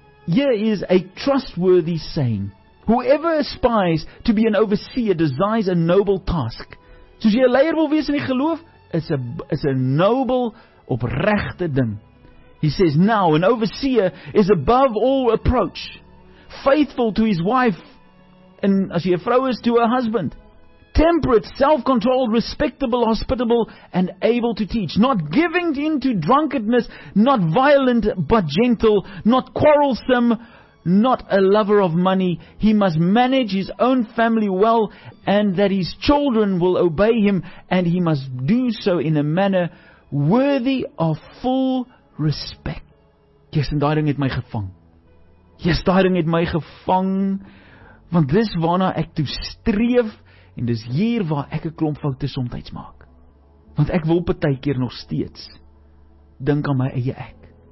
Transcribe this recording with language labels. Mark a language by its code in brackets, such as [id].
[en] Here is a trustworthy saying. Whoever aspires to be an overseer desires a noble task. [af] Soos jy 'n leier wil wees in die geloof, [en] is a noble, [af] opregte ding. [en] He says, now, an overseer is above all approach. Faithful to his wife, and [af] as jy 'n vrou is, [en] to her husband. Temperate, self-controlled, respectable, hospitable, and able to teach. Not giving in to drunkenness, not violent, but gentle, not quarrelsome, not a lover of money. He must manage his own family well, and that his children will obey him, and he must do so in a manner worthy of full respect. [af] Yes, daai ding het my gevang. Yes, daai ding het my gevang, want dis waarna ek toe streef, en dis hier waar ek 'n klomp foute soms maak. Want ek wil partykeer nog steeds dink aan my eie ek.